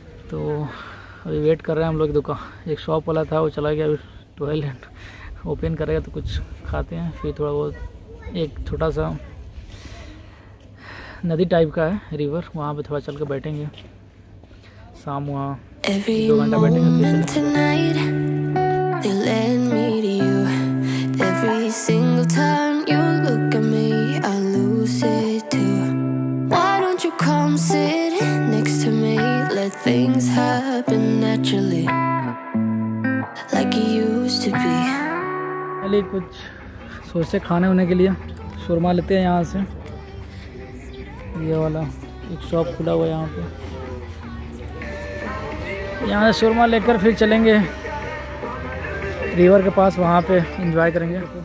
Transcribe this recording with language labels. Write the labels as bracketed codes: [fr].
[hi] तो अभी वेट कर रहे हैं हम लोग दुकान, एक शॉप वाला था वो चला गया, अभी टॉयलेट ओपन करेगा तो कुछ खाते हैं, फिर थोड़ा बहुत एक छोटा सा नदी टाइप का है रिवर, वहाँ पे थोड़ा चल के बैठेंगे शाम, वहाँ 2 घंटा बैठेंगे। [en] They lend me to you. Every single time you look at me, I lose it too. Why don't you come sit next to me? Let things happen naturally, like it used to be. [hi] पहले कुछ सोचते खाने होने के लिए, सुरमा लेते हैं यहाँ से। ये वाला एक शॉप खुला हुआ है यहाँ पे, यहाँ से सुरमा लेकर फिर चलेंगे रिवर के पास, वहाँ पे एंजॉय करेंगे।